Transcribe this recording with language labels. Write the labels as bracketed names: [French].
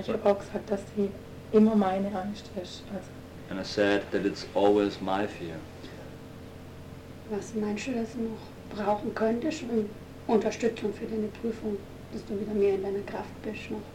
[German] Ich habe auch gesagt, dass die immer meine Angst ist. Also [English] and I said that it's always my fear. [German] Was meinst du, dass du noch brauchen könntest, um Unterstützung für deine Prüfung, dass du wieder mehr in deiner Kraft bist noch?